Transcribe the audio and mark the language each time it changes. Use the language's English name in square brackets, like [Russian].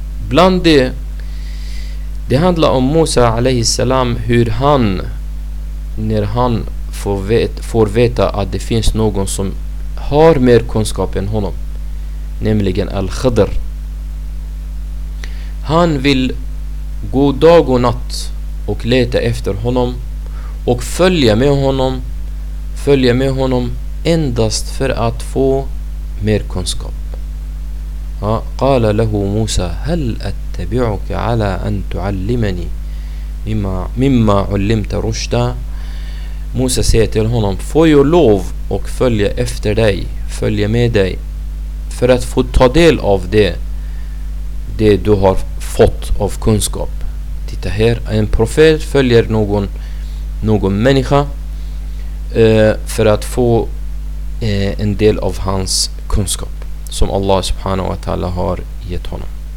[Swedish] Bland det handlar om Musa alayhi salam, hur han, när han får veta att det finns någon som har mer kunskap än honom, nämligen Al-Khidr. Han vill gå dag och natt och leta efter honom och följa med honom endast för att få mer kunskap. [Arabic] قال له موسى هل أتبعك على أن تعلمني مما علمت رشدا. [Swedish] موسى säger till honom, får jag lov och följa med dig för att få ta del av det du har fått av kunskap. Titta här, en profet följer någon människa för att få en del av hans kunskap som Allah subhanahu wa ta'ala har gett honom.